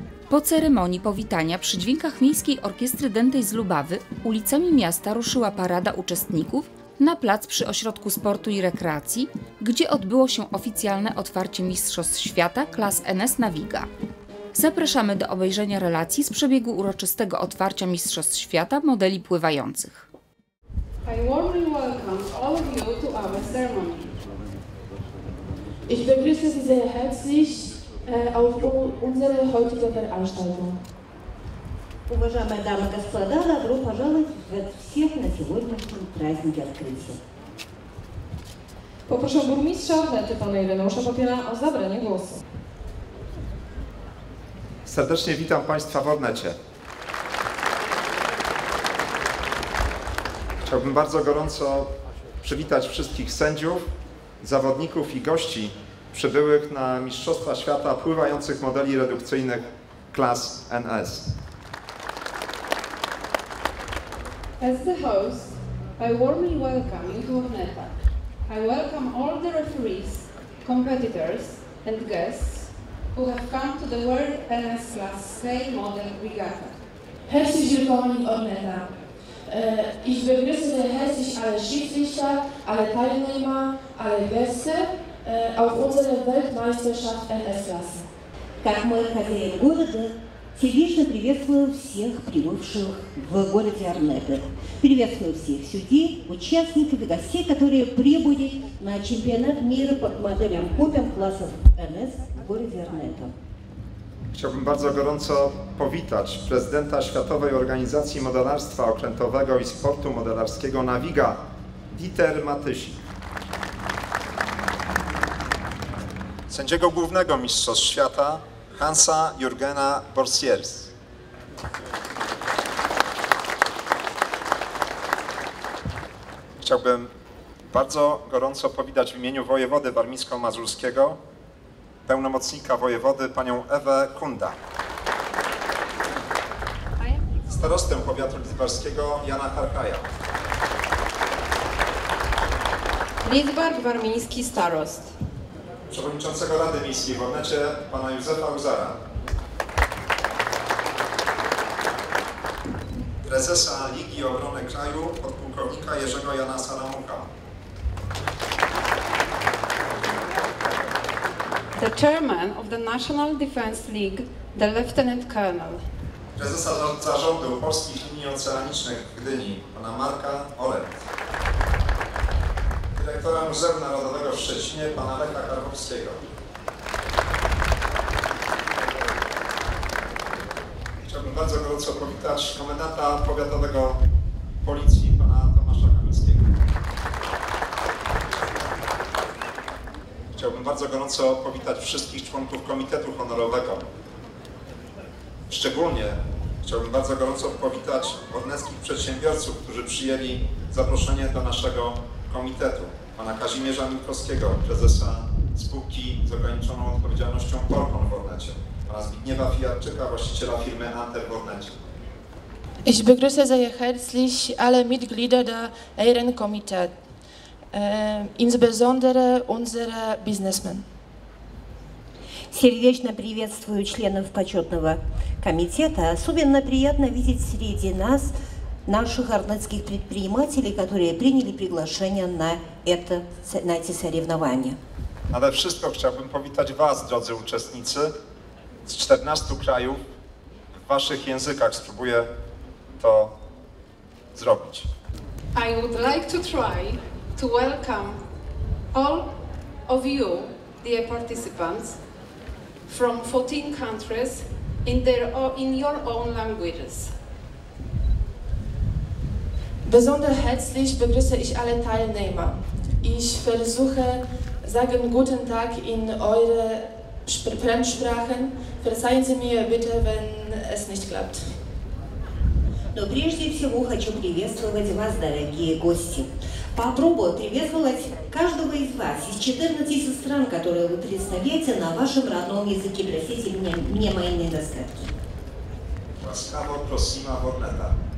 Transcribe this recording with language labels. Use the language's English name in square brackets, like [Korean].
[Polish] Po ceremonii powitania przy dźwiękach Miejskiej Orkiestry Dętej z Lubawy ulicami miasta ruszyła parada uczestników na plac przy Ośrodku Sportu i Rekreacji, gdzie odbyło się oficjalne otwarcie Mistrzostw Świata klas NS Nawiga. Zapraszamy do obejrzenia relacji z przebiegu uroczystego otwarcia Mistrzostw Świata modeli pływających. [English] I warmly welcome all of you to our ceremony. [German] Ich begrüße Sie sehr herzlich auf unsere heutige Veranstaltung. [Russian] Уважаемые дамы и господа, добро пожаловать в всех на сегодняшнем празднике открытия. Попрошу бурмистра Орнеты пана Иренеуша Попиела о забрании голоса. [Polish] Serdecznie witam Państwa w Ornecie. Chciałbym bardzo gorąco przywitać wszystkich sędziów, zawodników i gości przybyłych na Mistrzostwa Świata pływających modeli redukcyjnych klas NS. [English] As the host, I warmly welcome you to Orneta. I welcome all the referees, competitors and guests who have come to the World NS Class Sail Model Regatta. [German] Herzlich willkommen in Orneta. Ich begrüße herzlich alle Schiedsrichter, alle Teilnehmer, alle Gäste auf unserer Weltmeisterschaft NS-Klasse. [Russian] Как мой хозяин города, сердечно приветствую всех прибывших в городе Орнете. Приветствую всех судей, участников и гостей, которые прибыли на чемпионат мира по моделям Попиам классов НС в городе Орнете. [Polish] Chciałbym bardzo gorąco powitać prezydenta Światowej Organizacji Modelarstwa Okrętowego i Sportu Modelarskiego Nawiga, Dieter Matysik. Sędziego głównego Mistrzostw Świata, Hansa Jürgena Borsiers. Chciałbym bardzo gorąco powitać w imieniu wojewody warmińsko-mazurskiego pełnomocnika wojewody, panią Ewę Kunda. Starostę powiatu lidzbarskiego, Jana Harkaja. Lidzbar, warmiński starost. Przewodniczącego Rady Miejskiej w Ornecie, pana Józefa Uzara. Prezesa Ligi Obrony Kraju, podpułkownika Jerzego Jana Salamuka. [English] The chairman of the National Defense League, the Lieutenant Colonel. [Polish] Prezesa Zarządu Polskich Linii Oceanicznych w Gdyni, pana Marka Olet. Dyrektora Muzeum Narodowego w Szczecinie, pana Lecha Karpowskiego. Chciałbym bardzo gorąco powitać komendanta powiatowego policji, pana Tomasza Kamińskiego. Chciałbym bardzo gorąco powitać wszystkich członków Komitetu Honorowego. Szczególnie chciałbym bardzo gorąco powitać orneckich przedsiębiorców, którzy przyjęli zaproszenie do naszego komitetu. Pana Kazimierza Minkowskiego, prezesa spółki z ograniczoną odpowiedzialnością Porcon w Ornecie. Pana Zbigniewa Fijarczyka, właściciela firmy Anter w Ornecie. [German] Ich begrüße sehr herzlich alle Mitglieder der Ehrenkomitee. Insbesondere unsere Businessmen. [Russian] Сердечно приветствую членов почетного комитета. Особенно приятно видеть среди нас наших орнетских предпринимателей, которые приняли приглашение на эти соревнования. [Polish] Nade wszystko chciałbym powitać Was, drodzy uczestnicy, z 14 krajów, w Waszych językach spróbuję to zrobić. [English] I would like to try to welcome all of you, dear participants, from 14 countries in your own languages. [German] Besonders herzlich begrüße ich alle Teilnehmer. Ich versuche sagen guten Tag in eure Fremdsprachen. Verzeihen Sie mir bitte, wenn es nicht klappt. [Russian] Но прежде всего хочу приветствовать вас, дорогие гости. Попробую приветствовать каждого из вас из 14 стран, которые вы представляете на вашем родном языке. Простите мне мои недостатки. [Ukrainian] Ласкаво просима ворнета.